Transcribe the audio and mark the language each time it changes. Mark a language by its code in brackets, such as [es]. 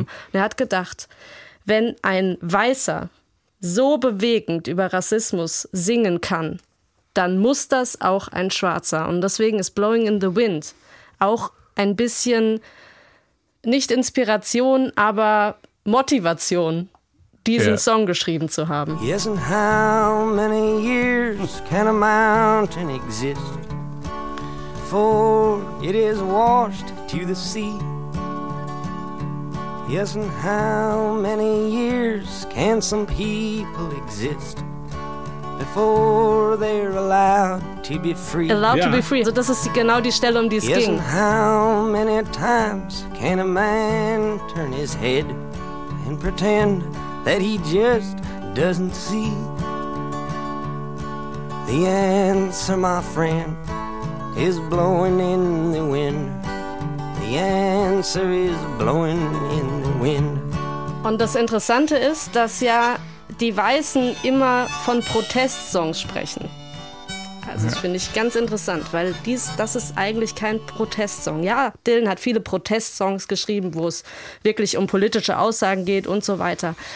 [de] Mhm. Und er hat gedacht, wenn ein Weißer so bewegend über Rassismus singen kann, dann muss das auch ein Schwarzer. Und deswegen ist Blowing in the Wind auch ein bisschen nicht Inspiration, aber Motivation, diesen Song geschrieben zu haben. [en] Yes, and how many years can a mountain exist before it is washed to the sea? Yes, and how many years can some people exist before they're allowed to be free? Allowed to be free. [de] Also das ist genau die Stelle, um die es ging. [en] Yes, and how many times can a man turn his head and pretend that he just doesn't see? The answer, my friend, is blowing in the wind. The answer is blowing in the wind. [de] Und das Interessante ist, dass ja die Weißen immer von Protestsongs sprechen. Also das finde ich ganz interessant, weil das ist eigentlich kein Protestsong. Ja, Dylan hat viele Protestsongs geschrieben, wo es wirklich um politische Aussagen geht und so weiter.